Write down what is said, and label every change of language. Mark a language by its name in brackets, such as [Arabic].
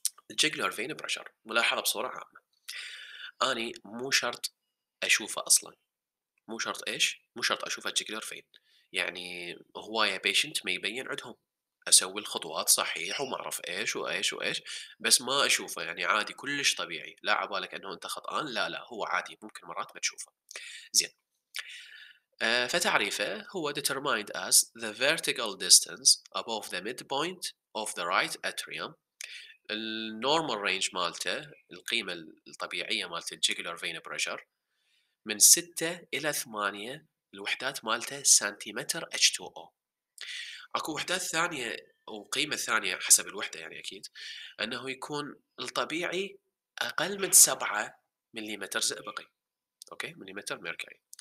[Arabic] الجيجولار فين بريشر ملاحظه بصوره عامه، اني مو شرط اشوفه اصلا، مو شرط ايش، مو شرط اشوف الجيكلر فين، يعني هو يا بيشنت ما يبين عندهم، اسوي الخطوات صحيح وما اعرف ايش وايش وايش، بس ما اشوفه يعني عادي كلش طبيعي، لا عبالك انه انت خطأان، لا لا هو عادي ممكن مرات ما تشوفه. زين، فتعريفه هو [English] determined as the vertical distance above the midpoint of the right atrium. [Arabic] النورمال رينج مالته، القيمة الطبيعية مالته الجيجولار فين بريشر من 6 إلى 8 الوحدات مالته سنتيمتر H2O. أكو وحدات ثانية وقيمة ثانية حسب الوحدة يعني أكيد، أنه يكون الطبيعي أقل من 7 مليمتر زئبقي، أوكي مليمتر ميركوري.